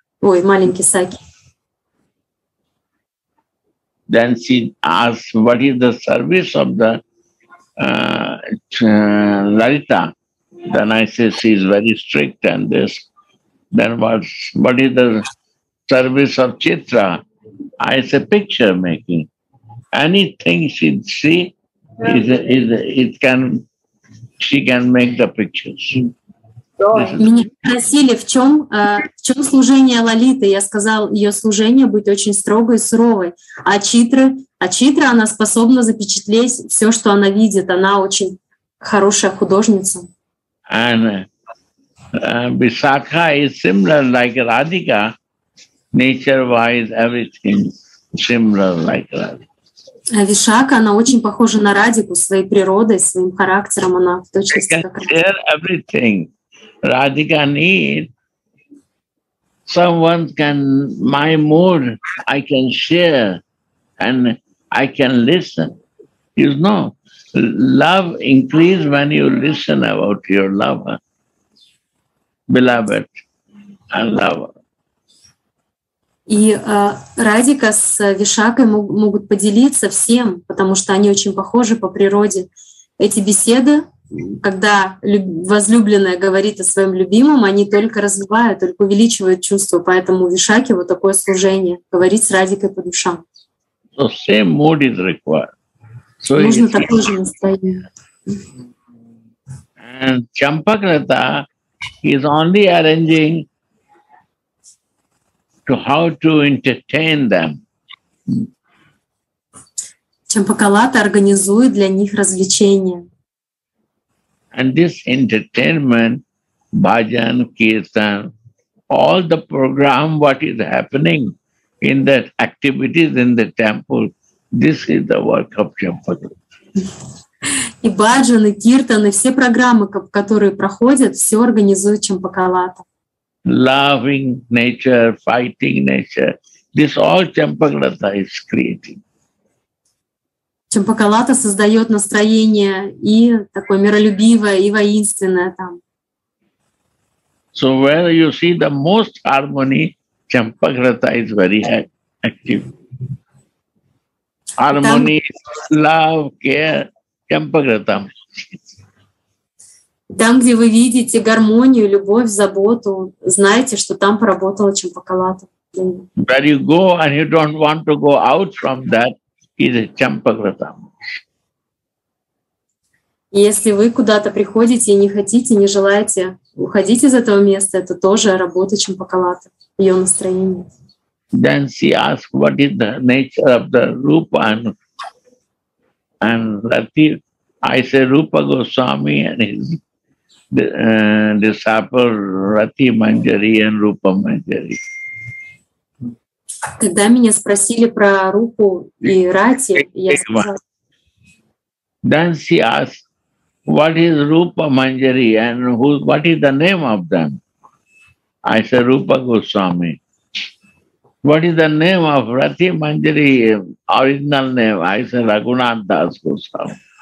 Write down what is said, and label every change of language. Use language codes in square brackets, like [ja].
[ru] Ой, маленький саки. [en] Then she asked, what is the service of the Lalita? Then I said, she is very strict and this. Then what is the service of Chitra? I said, picture making. Anything she see, she can make the pictures. [ru] Меня спросили, в чем служение Лолиты. Я сказал, ее служение будет очень строгой и суровой. А Читра, она способна запечатлеть все, что она видит. Она очень хорошая художница. [en] And Vishakha is similar like Radhika. Nature-wise, everything similar like Radhika. [ru] Vishakha, она очень похожа на Радику своей природой, своим характером. Она в точности как [en] Радика. Radhika need someone can my mood I can share and I can listen. You know, love increase when you listen about your lover, beloved and lover. [ru] И Радика с Вишакой могут поделиться всем, потому что они очень похожи по природе. Эти беседы, когда возлюбленная говорит о своем любимом, они только развивают, только увеличивают чувства. Поэтому Вишакхе вот такое служение — говорить с Радикой по душам. [en] So same mood is required. [ru] Нужно такое же настроение. [en] And Champakrata is only arranging to how to entertain them. [ru] Champakalata организует для них развлечения. [en] And this entertainment, bhajan, kirtan, all the program, what is happening in that activities in the temple, this is the work of Champakrata. [ru] И баджан, и киртан, и все программы, которые проходят, все организуют Чампакалата. [en] Loving nature, fighting nature, this all Чампакалата is creating. [ru] Чампакалата создает настроение и такое миролюбивое, и воинственное там. [en] So where you see the most harmony, Чампакалата is very active. Harmony, love, care. Чампакрата. [ru] Там, где вы видите гармонию, любовь, заботу, знаете, что там поработала Чампакалата. [en] Where you go and you don't want to go out from that is Чампакрата. [ru] Если вы куда-то приходите и не хотите, не желаете уходить из этого места, это тоже работа Чампакалата, ее настроение. [en] Then she asked, what is the nature of the Rupa and Ratir. I say Rupa Goswami and his disciple Rati Manjari and Rupa Manjari. [ru] Когда меня спросили про Рупу и Рати, я сказал. [en] Then she asked, what is Rupa Manjari and who, what is the name of them? I say Rupa Goswami. What is the name of Rati Manjari, original name? I say Raghunath Das Goswami.